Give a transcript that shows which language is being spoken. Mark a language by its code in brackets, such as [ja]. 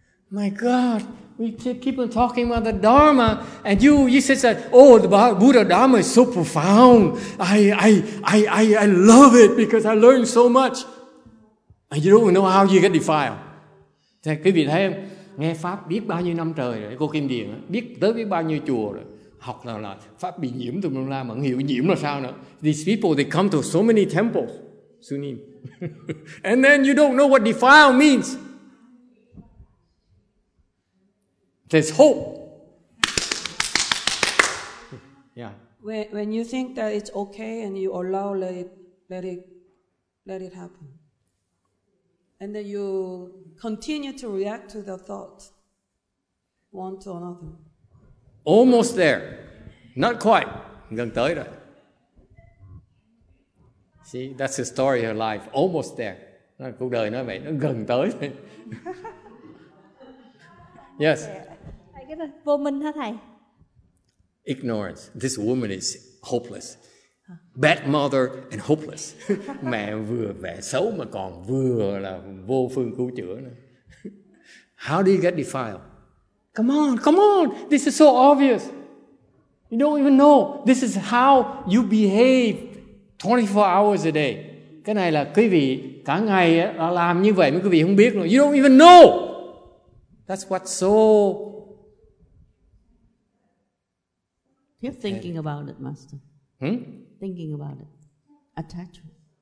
[en] My God, we keep on talking about the Dharma, and you said that, oh, the Buddha Dharma is so profound. I love it because I learned so much. And you don't know how you get defiled. [vi] Thế quý vị thấy không? Nghe Pháp biết bao nhiêu năm trời rồi, cô Kim Điền, biết tới biết bao nhiêu chùa rồi. Học là Pháp bị nhiễm từ lâu la, mà không hiểu nhiễm là sao nữa. [en] These people, they come to so many temples. Sunim. And then you don't know what defile means. There's hope. Yeah. When you think that it's okay and you allow let it happen. And then you continue to react to the thought one to another. Almost there. Not quite. [vi] Gần tới rồi. [en] See, that's the story of life. Almost there. [vi] Cuộc đời nói vậy, nó gần tới. [en] Yes. [vi] Vô minh hả thầy? [en] Ignorance. This woman is hopeless. Bad mother and hopeless. [vi] Mẹ vừa mẹ xấu mà còn vừa là vô phương cứu chữa nữa. [en] How do you get defiled? Come on, this is so obvious. You don't even know. This is how you behave 24 hours a day. [vi] Cái này là quý vị cả ngày làm như vậy mà quý vị không biết luôn. [en] You don't even know. That's what's so... You're thinking about it, Master. Thinking about it. Attachment.